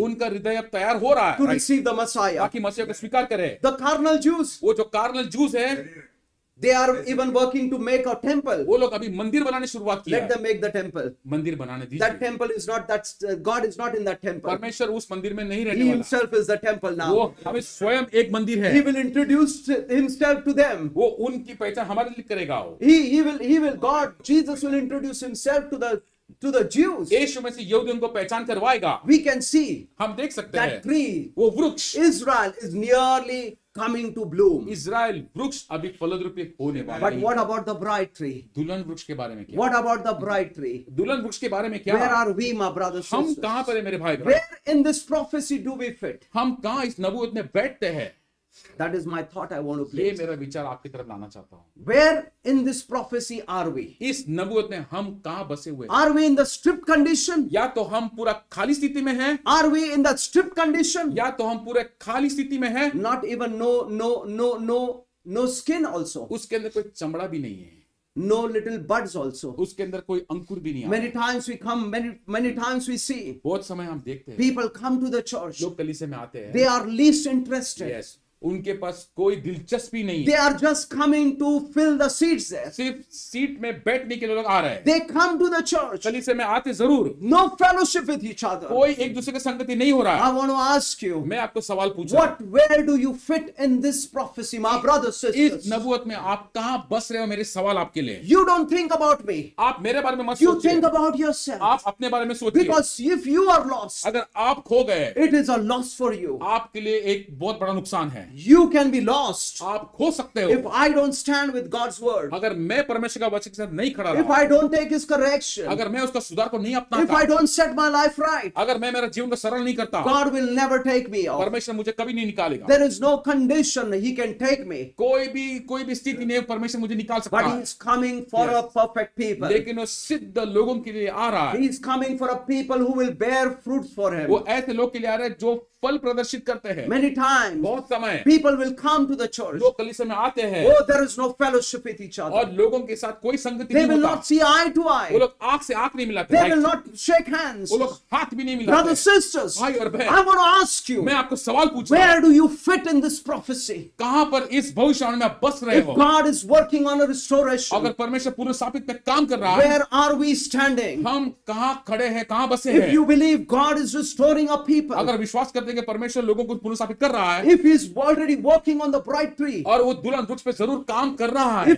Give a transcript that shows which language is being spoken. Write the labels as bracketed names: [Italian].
[Hindi] उनका हृदय अब तैयार हो रहा है, [English] to receive the Messiah, [Hindi] ताकि मसीह को स्वीकार करे, [English] the carnal Jews, [Hindi] वो जो [English] carnal Jews [Hindi] हैं, [English] they are even working to make a temple, [Hindi] वो लोग अभी मंदिर बनाने शुरुआत किया, [English] let them make the temple, [Hindi] मंदिर बनाने दीजिए, [English] that temple is not that God is not in that temple, [Hindi] परमेश्वर उस मंदिर में नहीं रहने [English] वाला, he himself is the temple now, [Hindi] वो हमें स्वयं एक मंदिर है, [English] he will introduce himself to them, [Hindi] वो उनकी पहचान हमारे लिए करेगा, [English] he will God Jesus will introduce himself to the Jews, [Hindi] यीशु मसीह यहूदियों को पहचान करवाएगा, [English] we can see, [Hindi] हम देख सकते [English] हैं, that tree, [Hindi] वो वृक्ष, [English] Israel is nearly coming to bloom. [Hindi] Israel वृक्ष अभी फलद्रुपी होने वाला [English] है. But what about the bright tree? [Hindi] दुल्हन वृक्ष के बारे में क्या? [English] What about the bright tree? [Hindi] दुल्हन वृक्ष के बारे में क्या? [English] Where are we, my brothers? [Hindi] हम कहाँ पर हैं मेरे भाई? [English] Where in this prophecy do we fit? [Hindi] हम कहाँ इस नबूवत में बैठते हैं? [English] That is my thought I want to place. [Hindi] ये मेरा विचार आपकी तरफ लाना चाहता हूँ. [English] Where in this prophecy are we? [Hindi] इस नबूवत में हम कहाँ बसे हुए? [English] Are we in the stripped condition? [Hindi] या तो हम पूरा खाली स्थिति में हैं? [English] Are we in the stripped condition? [Hindi] या तो हम पूरे खाली स्थिति में हैं? [English] Not even no skin also. [Hindi] उसके अंदर कोई चमड़ा भी नहीं है. [English] No little buds also. [Hindi] उसके अंदर कोई अंकुर भी नहीं [English] है. Many times we see. [Hindi] बहुत समय हम देखते हैं. [English] People come to the church. [Hindi] लोग कलीसिया में आते हैं. [English] They are least interested. Yes. [Hindi] उनके पास कोई दिलचस्पी नहीं [English] है. They are just coming to fill the seats there. [Hindi] सिर्फ सीट में बैठने के लिए लोग आ रहे हैं. [English] They come to the church. [Hindi] कलीसिया में आते जरूर. [English] No fellowship with each other. [Hindi] कोई एक दूसरे के संगति नहीं हो रहा [English] है. I want to ask you. [Hindi] मैं आपको सवाल पूछ रहा हूं. [English] What where do you fit in this prophecy, my brothers sisters? [Hindi] इस नबूवत में आप कहां बस रहे हो मेरे सवाल आपके लिए. [English] You don't think about me. [Hindi] आप मेरे बारे में मत सोचिए. [English] You think about yourself. [Hindi] आप अपने बारे में सोचिए. [English] Because if you are lost. [Hindi] अगर आप खो गए. [English] It is a loss for you. [Hindi] आपके लिए एक बहुत बड़ा नुकसान है. [English] You can be lost. [Hindi] आप खो सकते हो. [English] If I don't stand with God's word. [Hindi] अगर मैं परमेश्वर का वचन के साथ नहीं खड़ा [English] रहा. If I don't take His correction. [Hindi] अगर मैं उसका सुधार को नहीं अपनाता. [English] If I don't set my life right. [Hindi] अगर मैं मेरा जीवन को सरल नहीं करता. [English] God will never take me off. [Hindi] परमेश्वर मुझे कभी नहीं निकालेगा. [English] There is no condition He can take me. [Hindi] कोई भी स्थिति नहीं परमेश्वर मुझे निकाल सकता. [English] But He is coming for a perfect people. [Hindi] लेकिन वो सिद्ध लोगों के लिए आ रहा है. [English] He is coming for a people who will bear fruits for Him. [Hindi] वो ऐसे लोग के लिए आ रहा है जो फल प्रदर्शित करते हैं. [English] Many times. [Hindi] बहुत समय. [English] People will come to the church. [Hindi] लोग कलीसिया में आते हैं. [English] Oh, there is no fellowship with each other. [Hindi] और लोगों के साथ कोई संगति नहीं होता. [English] They will not see eye to eye. [Hindi] वो लोग आंख से आंख नहीं मिलाते. [English] They will not shake hands. [Hindi] वो लोग हाथ भी नहीं मिलाते. [English] Brothers, sisters. [Hindi] भाई और बहन. [English] I want to ask you. [Hindi] मैं आपको सवाल पूछ रहा हूँ. [English] Where do you fit in this prophecy? [Hindi] कहाँ पर इस भविष्यवाणी में बस रहे हो? [English] If God is working on a restoration. [Hindi] अगर परमेश्वर पुनर्स्थापित में काम कर रहा [English] है. Where are we standing? [Hindi] हम कहाँ खड़े हैं? कहाँ बसे [English] हैं? If you believe God is restoring a people. [Hindi] अगर विश्वास देंगे परमेश्वर लोगों को पुनर्स्थापित कर रहा है. [English] If he is already working on the bright tree. [Hindi] और वो दुल्हन वृक्ष पे जरूर काम कर रहा है.